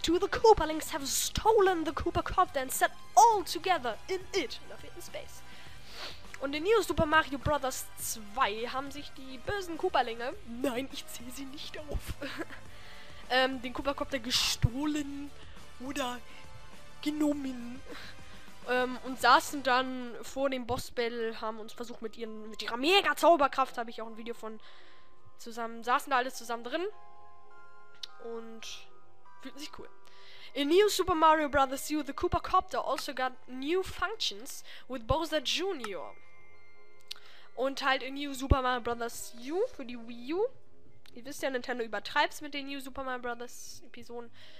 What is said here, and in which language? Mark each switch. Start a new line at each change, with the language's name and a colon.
English: 2, the Koopalings have stolen the Koopa-Copter and set all together in it.
German: Und da fehlt ein Space. Und in New Super Mario Bros. 2 haben sich die bösen Koopalinge, nein, ich zähle sie nicht auf, den Koopa-Copter gestohlen. Oder genommen. Und saßen dann vor dem Boss-Battle, haben uns versucht mit ihrer Mega-Zauberkraft, habe ich auch ein Video von zusammen, saßen da alles zusammen drin. Und fühlten sich cool. In New Super Mario Bros.
English: U, the Koopa-Copter also got new functions with Bowser Jr.
German: Und halt in New Super Mario Bros. U für die Wii U. Ihr wisst ja, Nintendo übertreibt's mit den New Super Mario Bros. Episoden.